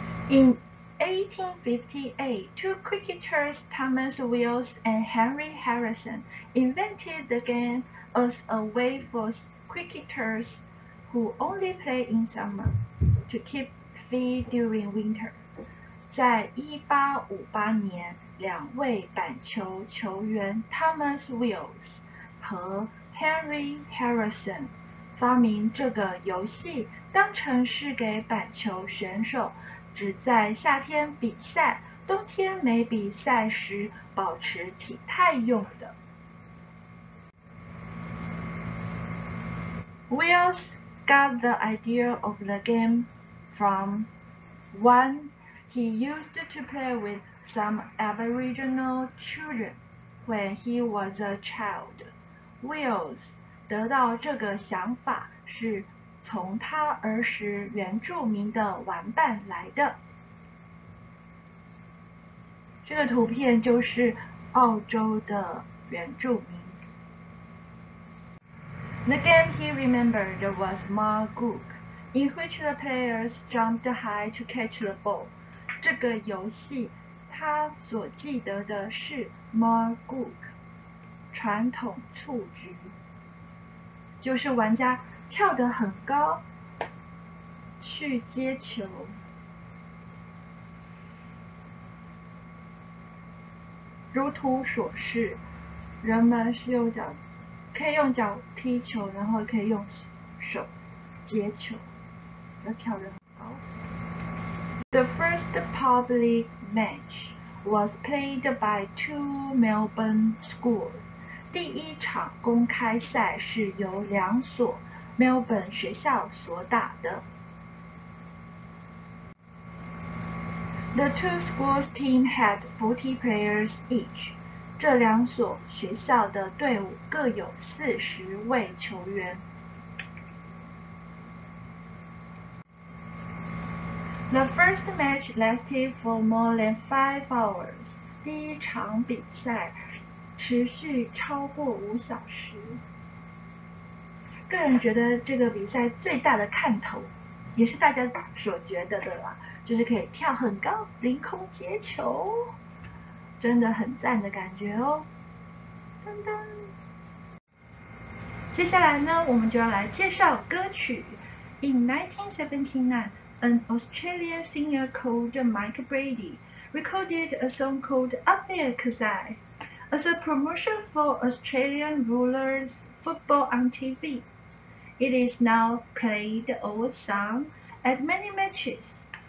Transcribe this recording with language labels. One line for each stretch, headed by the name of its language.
English: In 1858, two cricketers, Thomas Wills and Henry Harrison, invented the game as a way for cricketers who only play in summer to keep Coffee During Winter。
Chinese: 在1858年，两位板球球员 Thomas Wills 和 Henry Harrison 发明这个游戏，当成是给板球选手只在夏天比赛，冬天没比赛时保持体态用的。
English: Wills got the idea of the game from one he used to play with some Aboriginal children when he was a child.
Chinese: Wills 得到这个想法是从他儿时原住民的玩伴来的。这个图片就是澳洲的原住民。
English: The game he remembered was Mar Gook, in which the players jumped high to catch the ball.
Chinese: 这个游戏他所记得的是 Mar Gook, 传统蹴鞠，就是玩家跳得很高去接球。如图所示，人们是用脚可以用脚踢球，然后可以用手接球，要跳得很高。
English: The first public match was played by two Melbourne schools.
Chinese: 第一场公开赛是由两所 Melbourne 学校所打的。
English: The two schools team had 40 players each.
Chinese: 这两所学校的队伍各有40位球员。
English: The first match lasted for more than 5 hours.
Chinese: 第一场比赛持续超过5小时。个人觉得这个比赛最大的看头，也是大家所觉得的啦，就是可以跳很高，凌空接球。真的很赞的感觉哦，噔噔。接下来呢，我们就要来介绍歌曲。
English: In 1979, an Australian singer called Mike Brady recorded a song called Up There Kazai as a promotion for Australian Rules Football on TV. It is now played or sung at many matches.